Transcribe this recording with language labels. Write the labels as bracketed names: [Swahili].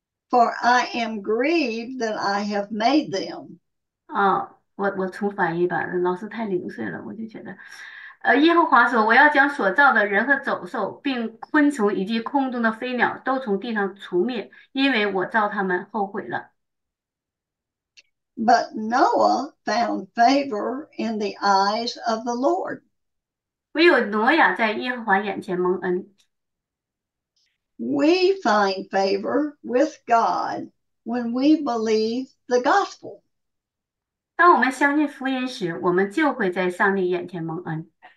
[English] For I am grieved that I have made them. [Chinese] 我重返一版，老师太零碎了，我就觉得，耶和华说，我要将所造的人和走兽，并昆虫以及空中的飞鸟都从地上除灭，因为我造他们后悔了。 [English] But Noah found favor in the eyes of the Lord. [Chinese] 唯有挪亚在耶和华眼前蒙恩。 [English] We find favor with God when we believe the gospel. [Chinese] 当我们相信福音时，我们就会在上帝眼前蒙恩。